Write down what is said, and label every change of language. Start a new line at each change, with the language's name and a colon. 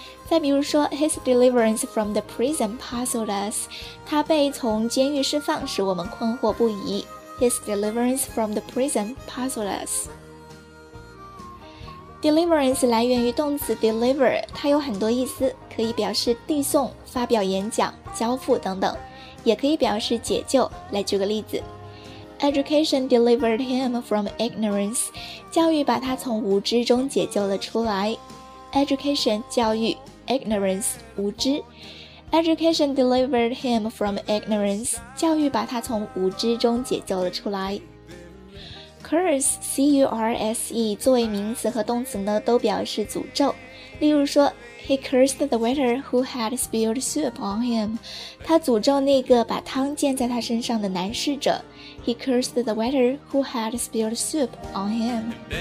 Chinese: 再比如说
English: His deliverance from the prison puzzled us.
Chinese: 他被从监狱释放使我们困惑不已。
English: His deliverance from the prison puzzled us.
Chinese: Deliverance 来源于动词 deliver, 它有很多意思，可以表示递送、发表演讲、交付等等，也可以表示解救。来举个例子，
English: Education delivered him from ignorance.
Chinese: 教育把他从无知中解救了出来。
English: Education 教育， ignorance 无知。 Education delivered him from ignorance.
Chinese: 教育把他从无知中解救了出来。 Curse, C-U-R-S-E, 作为名词和动词呢，都表示诅咒。例如说，
English: He cursed the waiter who had spilled soup on him.
Chinese: 他诅咒那个把汤溅在他身上的男侍者。
English: He cursed the waiter who had spilled soup on him.